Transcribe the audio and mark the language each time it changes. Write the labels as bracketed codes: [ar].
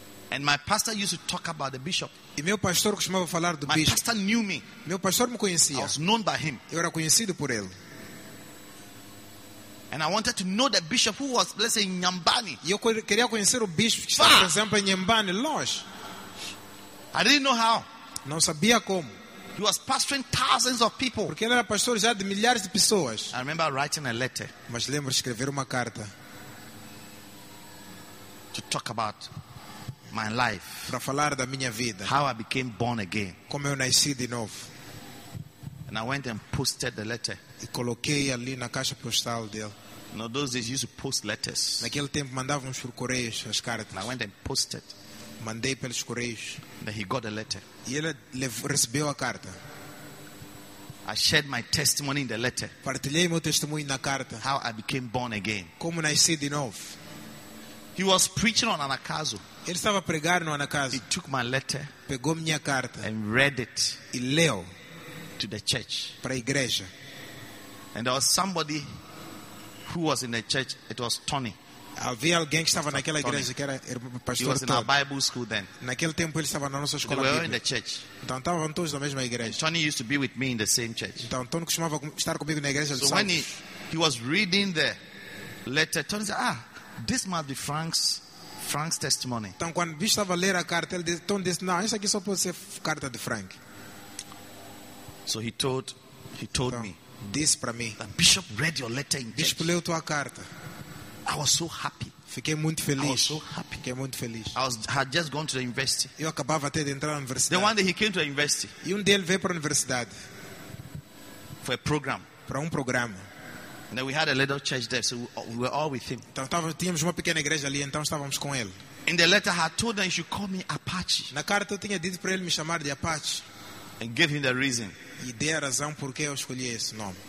[en] And my pastor used to talk about the bishop. [pt] E meu pastor costumava falar do [en] my [pt] bispo. [en] My pastor knew me. [pt] Meu pastor me conhecia. [en] I was known by him. [pt] Eu era conhecido por ele. [en] And I wanted to know the bishop who was, let's say, in Nyambani. [pt] Eu queria conhecer o bispo que estava, por exemplo, em Nyambani, longe. [en] I didn't know how. [pt] Não sabia como. [en] He was pastoring thousands of people. [pt] Porque ele era pastor já de milhares de pessoas. [en] I remember writing a letter. [pt] Mas lembro de escrever uma carta. [en] To talk about my life. [pt] Para falar da minha vida. [en] How I became born again. [pt] Como eu nasci de novo. [en] And I went and posted the letter. [pt] E coloquei ali na caixa postal dele. [en] No, those days used to post letters. [pt] Naquele tempo mandávamos por correios as cartas. [en] And I went and posted. [pt] Mandei pelos correios. [en] Then he got the letter. [pt] E ele recebeu a carta. [en] I shared my testimony in the letter. [pt] Partilhei meu testemunho na carta. [en] How I became born again. [pt] Como nasci de novo. [en] He was preaching on an acaso. [pt] Ele estava a pregar no acaso. [en] He took my letter. [pt] Pegou minha carta. [en] And read it. [pt] E leu. [en] To the church. [pt] Para a igreja. [en] And there was somebody who was in the church. It was Tony. [pt] Havia alguém que estava naquela igreja que era pastor. [en] He was in our Bible school then. [pt] Naquele tempo ele estava na nossa escola. [en] They were in the church. [pt] Então estavam todos na mesma igreja. [en] And Tony used to be with me in the same church. [pt] Então Tony costumava estar comigo na igreja. [en] So when he was reading the letter, Tony said, "Ah, this must be Frank's testimony." [pt] Então quando ele estava a ler a carta, ele disse, "Tony, não, isso aqui só pode ser carta de Frank." [en] So he told [pt] então, [en] me. [pt] Disse para mim. [en] The bishop read your letter in church. [pt] Bispo leu tua carta. [en] I was so happy. [pt] Fiquei muito feliz. [en] I was so happy. [pt] Fiquei muito feliz. [en] I had just gone to the university. [pt] Eu acabava até de entrar na universidade. [en] Then one day he came to the university. [pt] E dia ele veio para a universidade. [en] For a program. [pt] Para programa. [en] And then we had a little church there, so we were all with him. [pt] Então tínhamos uma pequena igreja ali, então estávamos com ele. [en] In the letter I had told him he should call me Apache. [pt] Na carta eu tinha dito para ele me chamar de Apache. [en] And gave him the reason. [pt] E dei a razão porque eu escolhi esse nome.